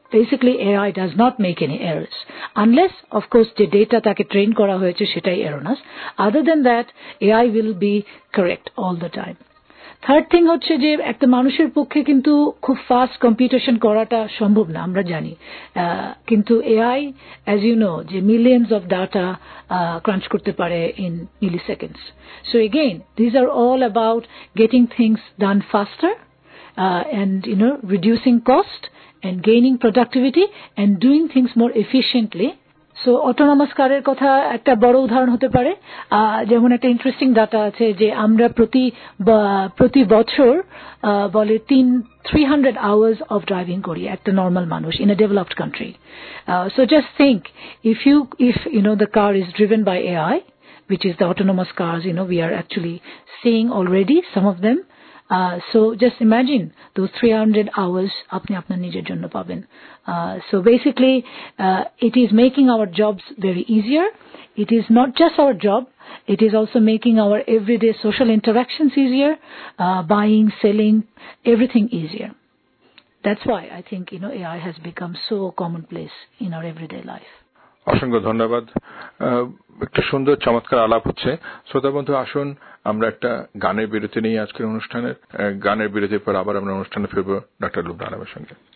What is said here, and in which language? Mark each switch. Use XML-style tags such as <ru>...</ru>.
<en>Basically AI does not make any errors unless of course the data</en> <bn>take train kora hoyeche shetai</bn> <en>erroneous, other than that AI will be correct all the time.</en> <bn>Third thing হচ্ছে যে একটা মানুষের পক্ষে কিন্তু খুব fast computation করাটা সম্ভব না, আমরা জানি, কিন্তু এআই</bn> <en>as you know</en> <bn>যে মিলিয়ন্স অফ ডাটা ক্রাঞ্চ করতে পারে</bn> <en>In milliseconds. So again these are all about getting things done faster and you know reducing cost and gaining productivity and doing things more efficiently</en> <bn>so autonomous কারের কথা একটা বড় উদাহরণ হতে পারে। যেমন একটা ইন্টারেস্টিং ডাটা আছে যে আমরা প্রতি বছর বলে 300 hours অফ ড্রাইভিং করি একটা নর্মাল মানুষ</bn> <en>In a developed country. So just think if you know the car is driven by AI, which is the autonomous cars, you know, we are actually seeing already some of them. So just imagine those 300 hours</en> <bn>apni apnar nijer jonno paben.</bn> <en>So basically it is making our jobs very easier. It is not just our job, it is also making our everyday social interactions easier, buying, selling, everything easier. That's why I think, you know, AI has become so commonplace in our everyday life.</en> <bn>অসংখ্য ধন্যবাদ, একটা সুন্দর চমৎকার আলাপ হচ্ছে। শ্রোতা বন্ধু, আসুন আমরা একটা গানের বিরতি নিয়ে আজকের অনুষ্ঠানের, গানের বিরতির পর আবার আমরা অনুষ্ঠানে ফিরব ডক্টর লুবনা আলমের সঙ্গে।</bn>